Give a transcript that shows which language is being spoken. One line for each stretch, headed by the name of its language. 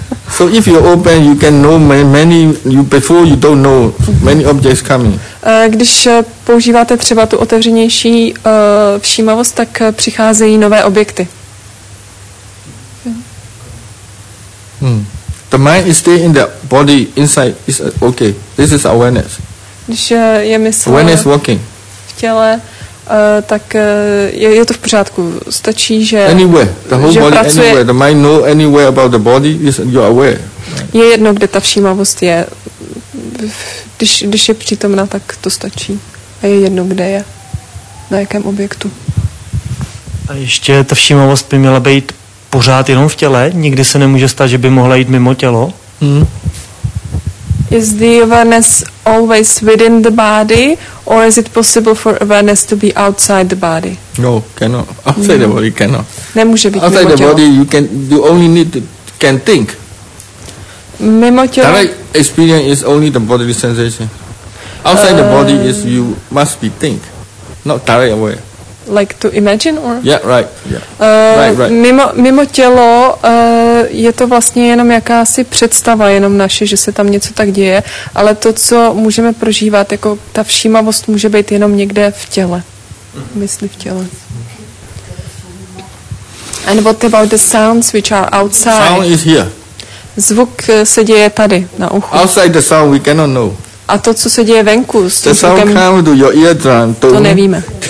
English: So if you open, you can know many. You before you don't know many objects coming.
Czech: Když používáte třeba tu otevřenější všímavost, tak přicházejí nové objekty. Hmm.
English: The mind is still in the body inside. Is okay. This is awareness.
Czech: Když je mysl.
English: Awareness walking. Těle,
Czech: tak je to v pořádku. Stačí, že
English: anywhere, the whole že body
Czech: pracuje.
English: Anywhere, the mind know anywhere about the body, you are aware.
Czech: Je jedno, kde ta všímavost je. Když je přítomná, tak to stačí. A je jedno, kde je. Na jakém objektu. A ještě ta všímavost by měla být pořád jenom v těle? Nikdy se nemůže stát, že by mohla jít mimo tělo? Mm.
English: Is the awareness always within the body, or is it possible for awareness to be outside the body? No, cannot. Outside the body, cannot.
Czech: Nemůže být
English: outside
Czech: mimo tělo.
English: The body, you only need to can think.
Czech: Mimo tělo.
English: Direct experience is only the bodily sensation. Outside the body is you must be think, not direct aware. Like to imagine or? Yeah, right. Yeah. Right.
Czech: Mimo tělo je to vlastně jenom jakási představa, jenom naše, že se tam něco tak děje, ale to, co můžeme prožívat, jako ta všímavost může být jenom někde v těle. Mysli v těle.
English: And what about the sounds which are outside? Sound is here.
Czech: Zvuk se děje tady, na uchu.
English: Outside the sound we cannot know.
Czech: A to, co se děje venku, s tím zvukem, to nevíme.